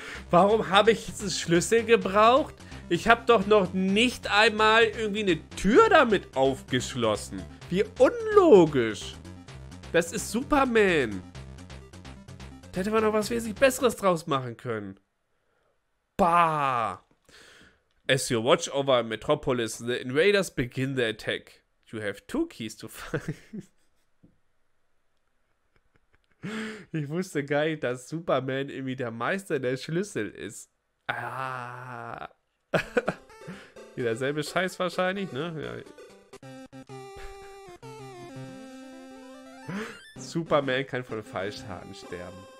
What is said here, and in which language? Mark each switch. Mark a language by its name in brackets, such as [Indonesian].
[German] Warum habe ich diesen Schlüssel gebraucht? Ich habe doch noch nicht einmal irgendwie eine Tür damit aufgeschlossen. Wie unlogisch. Das ist Superman. Da hätte man noch was wesentlich Besseres draus machen können. Bah. [English] As you watch over Metropolis, the invaders begin the attack. You have two keys to find. [German] Ich wusste gar nicht, dass Superman irgendwie der Meister der Schlüssel ist. Wie derselbe Scheiß wahrscheinlich, ne? Ja. Superman kann von Fallschaden sterben.